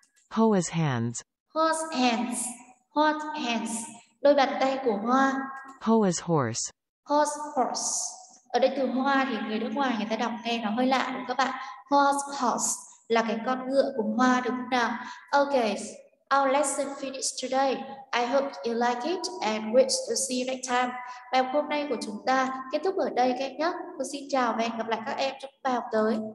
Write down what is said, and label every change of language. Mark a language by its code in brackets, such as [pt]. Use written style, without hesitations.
[en] Hoa's hands. Hoa's hands. Hoa's hands. [vi] Đôi bàn tay của hoa. [en] Hoa's horse. Hoa's horse. [vi] Ở đây từ hoa thì người nước ngoài người ta đọc nghe nó hơi lạ đúng không các bạn? [en] Hoa's horse [vi] là cái con ngựa của hoa đúng không nào? [en] Okay. Our lesson finished today. I hope you like it and wish to see you next time. [vi] Bài học hôm nay của chúng ta kết thúc ở đây các em nhé. Cô xin chào và hẹn gặp lại các em trong bài học tới.